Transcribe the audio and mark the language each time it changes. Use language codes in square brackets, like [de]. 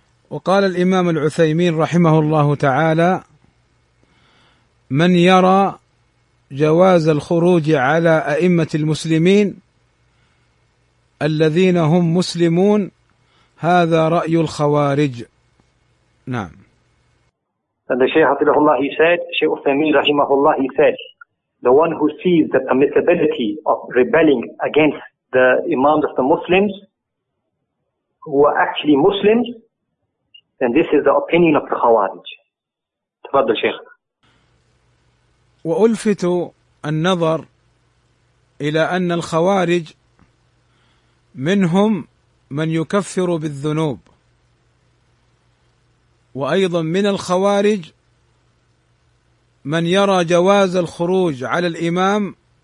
[ar] وقال الإمام العثيمين رحمه الله تعالى: من يرى جواز الخروج على أئمة المسلمين الذين هم مسلمون هذا رأي الخوارج. نعم. [en] And the Shaykh [ar] رحمه الله [en] he said, Shaykh Uthaymeen رحمه الله he said, the one who sees the permissibility of rebelling against the imams of the Muslims who are actually Muslims, then this is the opinion of the Khawarij. [ar] Tafadda Shaykh. وألفت النظر إلى أن الخوارج منهم من يكفر بالذنوب، وأيضا من الخوارج من يرى جواز الخروج على الإمام